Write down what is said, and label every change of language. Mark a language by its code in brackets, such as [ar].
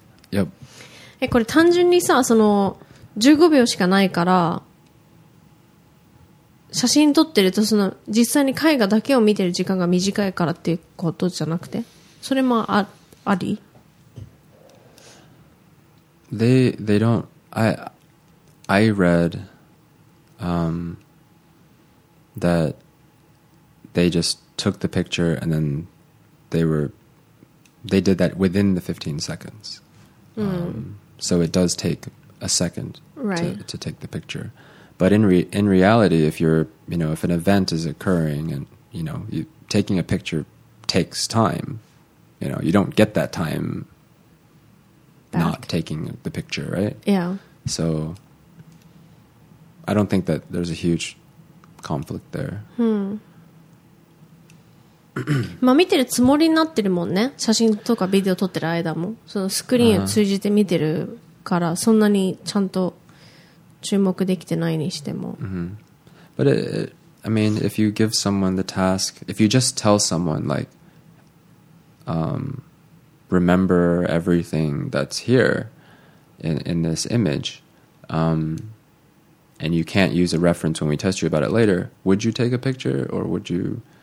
[en] Yep. [ja] これ単純にさ、その15秒しかないから、写真撮ってるとその実際に絵画だけを見てる時間が短いからっていうことじゃなくて、それもあり? [en] they don't. I read that they just took the picture and then they did that within the 15 seconds. So it does take a second to take the picture. But in reality, if you're, you know, if an event is occurring and, you know, you, taking a picture takes time, you know, you don't get that time back. Not taking the picture, right? Yeah. So I don't think that there's a huge conflict there. [ja] まあ見てるつもりになってるもんね。写真とかビデオ撮ってる間も、そのスクリーンを通じて見てるからそんなにちゃんと注目できてないにしても。 [en] But I mean, if you give someone the task, if you just tell someone like, remember everything that's here in this image, and you can't use a reference when we test you about it later, would you take a picture or would you?